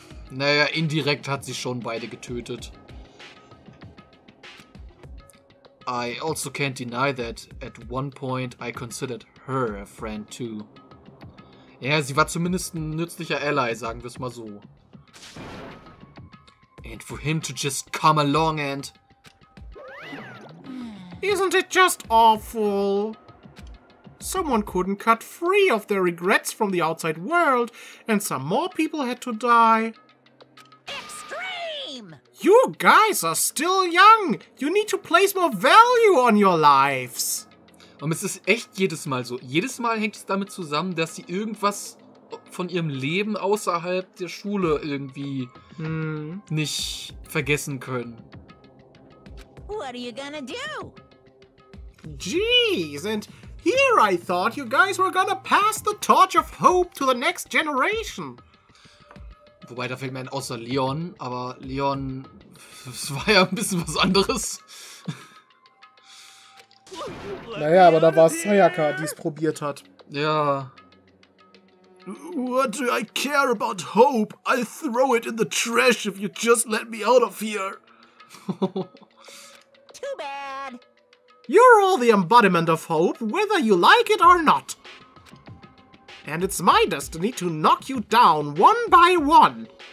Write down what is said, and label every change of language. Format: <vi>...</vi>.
<de>Naja, indirekt hat sie schon beide getötet.</de> <en>I also can't deny that at one point I considered her a friend too.</en> <de>Ja, sie war zumindest ein nützlicher Ally, sagen wir es mal so.</de> <en>And for him to just come along and... Isn't it just awful? Someone couldn't cut free of their regrets from the outside world, and some more people had to die. Extreme! You guys are still young! You need to place more value on your lives!</en> <de>Und es ist echt jedes Mal so. Jedes Mal hängt es damit zusammen, dass sie irgendwas von ihrem Leben außerhalb der Schule irgendwie nicht vergessen können.</de> <en>What are you gonna do? Jeez, and here I thought you guys were gonna pass the torch of hope to the next generation.</en> <de>Wobei, da fällt mir ein außer Leon, aber Leon, das war ja ein bisschen was anderes. Naja, aber da war es Sayaka, die es probiert hat. Ja.</de> <en>What do I care about hope? I'll throw it in the trash if you just let me out of here. Too bad. You're all the embodiment of hope, whether you like it or not. And it's my destiny to knock you down one by one.</en>